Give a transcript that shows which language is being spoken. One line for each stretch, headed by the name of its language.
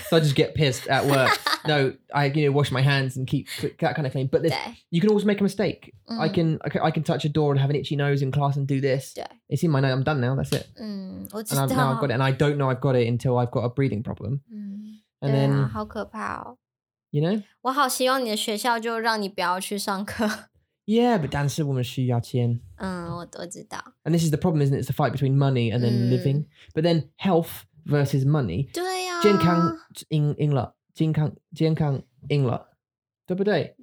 English: So I just get pissed at work. No, I, you know, wash my hands and keep that kind of thing. But you can always make a mistake.、嗯、 I can touch a door and have an itchy nose in class and do this. It's in my nose. I'm done now. That's it.、嗯、 and now I've got it. And I don't know I've got it until I've got a breathing problem.、嗯、 and then...
Chinese: 好可怕哦。
English: You know?
Chinese: 我好希望你的学校就让你不要去上课。 Yeah, but 但是我们需要钱。嗯，我知道。
English: And this is the problem, isn't it? It's the fight between money and then、嗯、 living. But then health versus money.
Chinese: 对啊。健康赢了，健康赢了，对不对？